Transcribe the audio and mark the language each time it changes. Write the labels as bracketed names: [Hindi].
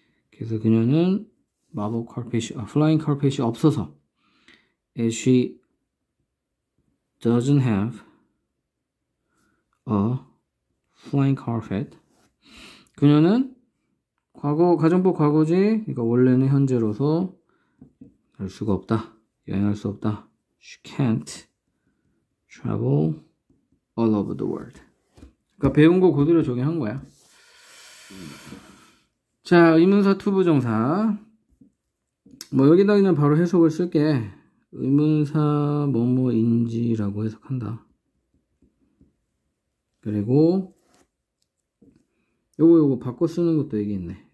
[Korean] 그래서 그녀는 마법 컬펫이, 플라잉 컬펫이 없어서 [English] and she doesn't have a flying carpet. [Korean] 그녀는 과거, 가정법 과거지. 그러니까 원래는 현재로서 갈 수가 없다. 여행할 수 없다. [English] She can't travel all over the world. [Korean] 그니까 배운 거 그대로 적용한 거야. 자, 의문사, 투부 정사. 뭐, 여기다 그냥 바로 해석을 쓸게. 의문사, 뭐뭐인지라고 해석한다. 그리고, 요거, 바꿔 쓰는 것도 얘기했네.